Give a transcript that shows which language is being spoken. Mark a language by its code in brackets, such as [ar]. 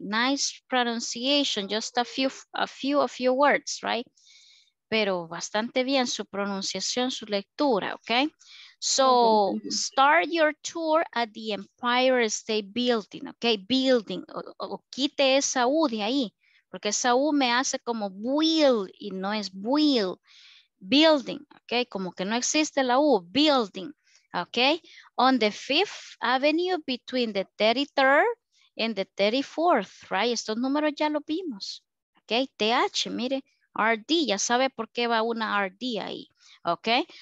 [en] Nice pronunciation, just a few of your words, right? [es] Pero bastante bien su pronunciación, su lectura, okay? [en] So, start your tour at the Empire State Building, okay? [es] Building, o quite esa U de ahí, porque esa U me hace como build y no es build. Building, okay? Como que no existe la U, building, okay? [en] On the Fifth Avenue between the 33rd and the 34th, right? [es] Estos números ya los vimos, okay? TH, mire. RD, ya sabe por qué va una RD ahí, ok.